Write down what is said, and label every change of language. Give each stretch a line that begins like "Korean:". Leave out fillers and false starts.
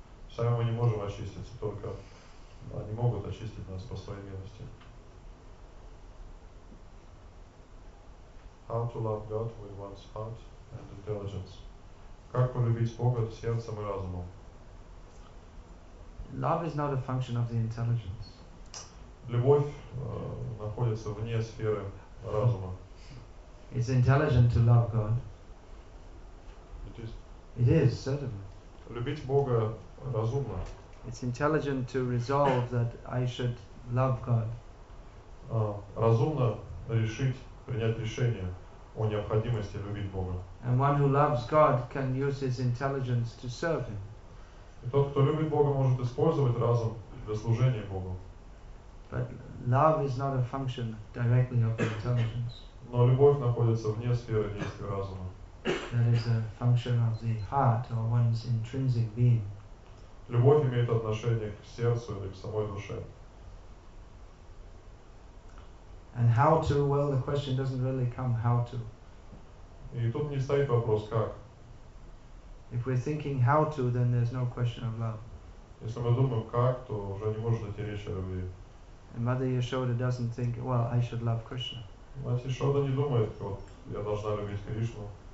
Russian: Сами мы не можем очиститься, только они могут очистить нас по своей милости.
English: How to love God with one's heart and intelligence.
Russian: Как полюбить Бога сердцем и разумом?
English: Love is not a function of the intelligence.
Russian: Любовь находится вне сферы разума.
English: It's intelligent to love God. It is. It is, certainly.
Russian: Любить Бога разумно.
English: It's intelligent to resolve that I should love God.
Russian: Разумно решить, принять решение о необходимости любить Бога.
English: And one who loves God can use his intelligence to serve him.
Russian: И тот, кто любит Бога, может использовать разум для служения Богу.
English: But love is not a function directly of the intelligence.
Russian: Но любовь находится вне сферы действия разума.
English: That is a function of the heart or one's intrinsic being.
Russian: Любовь имеет отношение к сердцу или к самой душе.
English: And how to? Well, the question doesn't really come how to.
Russian: И тут не стоит вопрос как.
English: If we're thinking how to, then there's no question of love.
Russian: Если мы думаем как, то уже не может идти речь о любви.
English: And Mother Yashoda doesn't think, well, I should love Krishna.
Russian: Мать Яшода не думает, вот я должна любить Кришну.